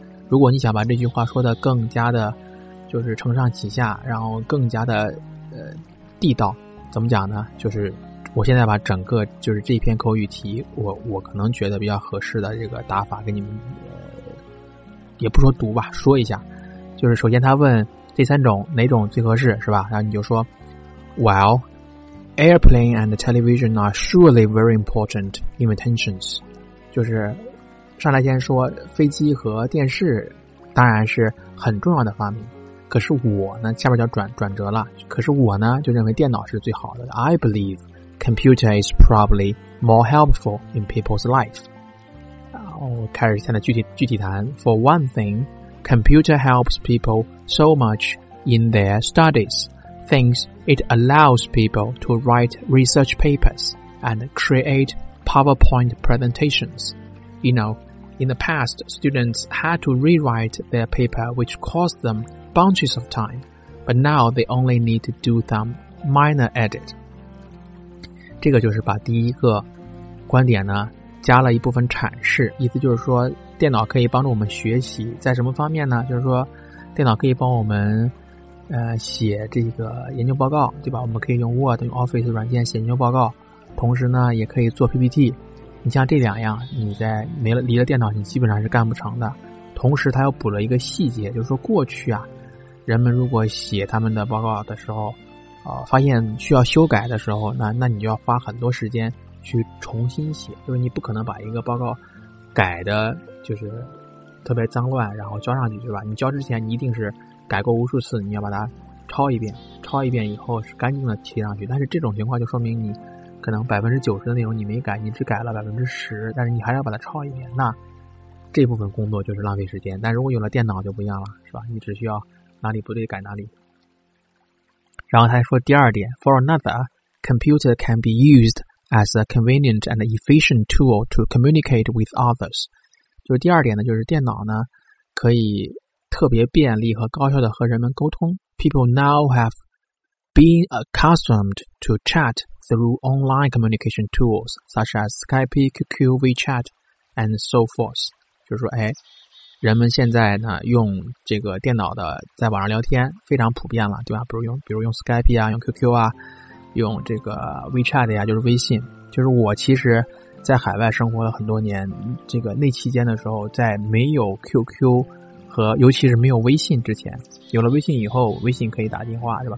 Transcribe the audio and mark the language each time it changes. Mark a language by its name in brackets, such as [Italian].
[Chinese] 如果你想把这句话说得更加的就是承上启下，然后更加的地道，怎么讲呢？就是我现在把整个就是这篇口语题我可能觉得比较合适的这个打法给你们也不说读吧，说一下。就是首先他问这三种哪种最合适，是吧？然后你就说 [English] WellAirplane and television are surely very important inventions. [Chinese] 就是上来先说飞机和电视当然是很重要的发明，可是我呢下边就转折了，可是我呢就认为电脑是最好的。 [English] I believe computer is probably more helpful in people's life. [Chinese] 我开始现在具体谈。 [English] For one thing, computer helps people so much in their studies. Thinks it allows people to write research papers and create PowerPoint presentations. You know, in the past, students had to rewrite their paper, which cost them bunches of time, but now they only need to do some minor edit. [Chinese] 这个就是把第一个观点呢加了一部分阐释，意思就是说电脑可以帮助我们学习，在什么方面呢？就是说电脑可以帮我们写这个研究报告，对吧？我们可以用 Word 用 Office 软件写研究报告，同时呢也可以做 PPT, 你像这两样，你在没了离了电脑，你基本上是干不成的。同时他又补了一个细节，就是说过去啊，人们如果写他们的报告的时候发现需要修改的时候，那你就要花很多时间去重新写，就是你不可能把一个报告改的就是特别脏乱然后交上去，对吧？你交之前你一定是改过无数次，你要把它抄一遍，抄一遍以后是干净的贴上去。但是这种情况就说明你可能90%的内容你没改，你只改了10%，但是你还是要把它抄一遍，那这部分工作就是浪费时间。但如果有了电脑就不一样了，是吧？你只需要哪里不对改哪里。然后他还说第二点， [English] For another, computer can be used as a convenient and efficient tool to communicate with others. [Chinese] 就是第二点呢，就是电脑呢可以特别便利和高效的和人们沟通。 [English] People now have been accustomed to chat through online communication tools such as Skype, QQ, WeChat, and so forth. [Chinese] 就是说，哎，人们现在呢用这个电脑的在网上聊天非常普遍了，对吧？比如用 Skype 啊，用 QQ 啊，用这个 WeChat 呀，就是微信。就是我其实在海外生活了很多年，这个那期间的时候，在没有 QQ 和尤其是没有微信之前，有了微信以后，微信可以打电话，是吧？